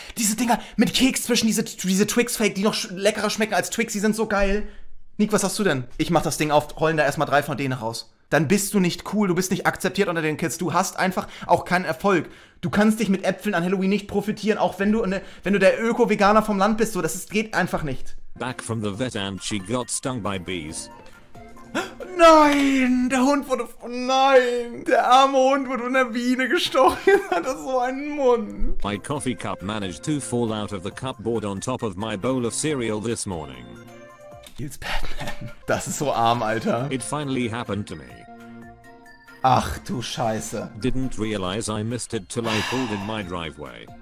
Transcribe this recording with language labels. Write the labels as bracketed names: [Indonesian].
[German] Diese Dinger mit Keks zwischen diese Twix-Fake, die noch leckerer schmecken als Twix, die sind so geil. Nick, was hast du denn? Ich mach das Ding auf, rollen da erstmal 3 von denen raus. Dann bist du nicht cool, du bist nicht akzeptiert unter den Kids, du hast einfach auch keinen Erfolg. Du kannst dich mit Äpfeln an Halloween nicht profitieren, auch wenn du der Öko-Veganer vom Land bist, so, das geht einfach nicht. [English] Back from the vet and she got stung by bees. [German] Nein, der Hund wurde, nein, der arme Hund wurde von der Biene gestochen, hat er so einen Mund. [English] My coffee cup managed to fall out of the cupboard on top of my bowl of cereal this morning. Feels bad, man. [German] Das ist so arm, Alter. [English] It finally happened to me. [German] Ach du Scheiße. [English] Didn't realize I missed it till I pulled in my driveway.